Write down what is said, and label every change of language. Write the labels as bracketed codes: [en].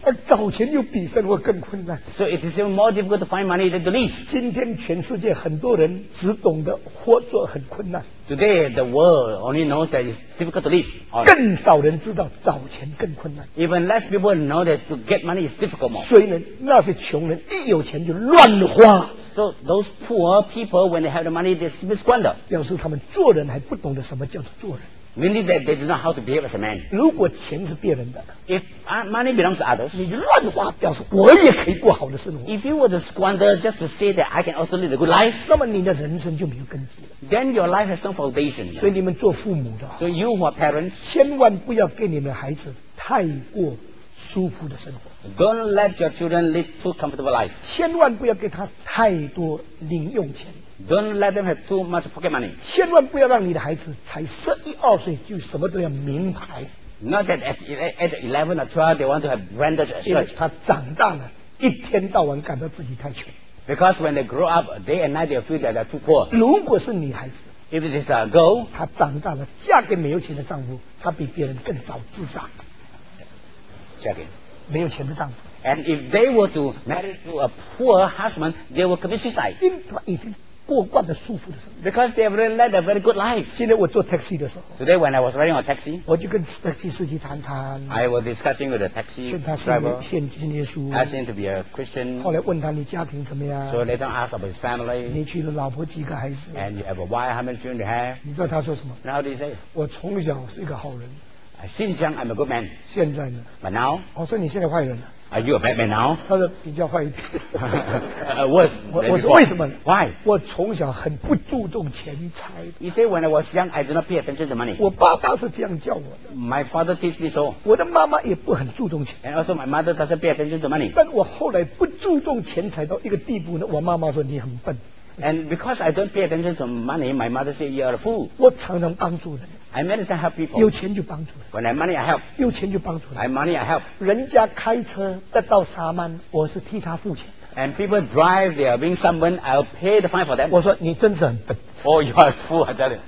[zh] 而找钱又比生活更困难 [en] So it is even more difficult to find money than to live [zh] 今天全世界很多人只懂得活着很困难 [en] Today the world only knows that it's difficult to live [zh] 更少人知道找钱更困难 [en] Even less people know that to get money is difficult more [zh] 所以呢那些穷人一有钱就乱花 [en] So those poor people when they have the money they simply squander [zh] 表示他们做人还不懂得什么叫做人 [en] Meaning that they do not know how to behave as a man [zh] 如果钱是别人的 [en] If money belongs to others [zh] 你乱花表示我也可以过好的生活 [en] If you were to squander just to say that I can also live a good life [zh] 那么你的人生就没有根基了 [en] Then your life has no foundation [zh] 所以你们做父母的 [en] So you who are parents [zh] 千万不要给你们孩子太过舒服的生活 [en] Don't let your children live too comfortable life [zh] 千万不要给他太多零用钱 [en] Don't let them have too much pocket money [zh] 千万不要让你的孩子才十一二岁就什么都要名牌 [en] Not that at 11 or 12 they want to have branded shirts [zh] 因为他长大了一天到晚感到自己太穷 [en] Because when they grow up day and night they feel that they're too poor [zh] 如果是女孩子 [en] If it is a girl [zh] 她长大了嫁给没有钱的丈夫她比别人更早自杀没有钱的丈夫 [en] And if they were to marry to a poor husband They will commit suicide [zh] 因为已经过惯了舒服的生活 [en] Because they have really led a very good life [zh] 今天我坐 taxi 的时候 [en] Today when I was riding a taxi [zh] 我就跟 taxi 司机谈谈 [en] I was discussing with the taxi [zh] driver 现他信耶稣 [en] Asked him to be a Christian [zh] 后来问他你家庭怎么样 [en] So later asked about his family [zh] 你娶了老婆几个孩子 [en] And you have a wife, how many children you have [zh] 你知道他说什么 [en] How did he say [zh] 我从小是一个好人 [en] since young I'm a good man [zh] 现在呢 [en] but now [zh] 我说你现在坏人了 [en] are you a bad man now [zh] 他说比较坏一点 [en] worse [zh] 我说为什么 [en] why [zh] 我从小很不注重钱财 [en] you say when I was young I did not pay attention to money [zh] 我爸爸是这样叫我的 [en] my father teach me so [zh] 我的妈妈也不很注重钱 [en] and also my mother doesn't pay attention to money [zh] 但我后来不注重钱财到一个地步呢我妈妈说你很笨 [en] and because I don't pay attention to money my mother said you are a fool [zh] 我常常帮助人 [en] I many times help people. [zh] 有钱就帮助人。 [en] When I have money, I help. [zh] 有钱就帮助人。 [en] I have money, I help. [zh] 人家开车得到3万，我是替他付钱。 [en] And people drive, they are being someone, I'll pay the fine for them. [zh] 我说你真是很笨。 [en] Oh, you are a fool, I tell you.